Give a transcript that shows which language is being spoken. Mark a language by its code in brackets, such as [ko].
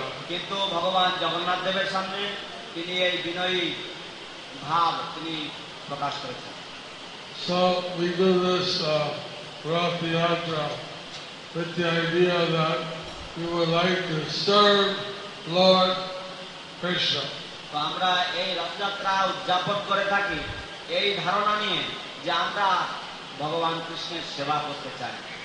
[bn] কিন্তু ভগবান জগন্নাথ দেবের সামনে তিনি এই বিনয়ী ভাব তিনি প্রকাশ করেছেন। [en] So we do this rough yatra with the idea that we would like to serve Lord Krishna. [bn] তো আমরা এই রথযাত্রা উদযাপন করে থাকি এই ধারণা নিয়ে যে আমরা ভগবান কৃষ্ণের সেবা করতে চাই।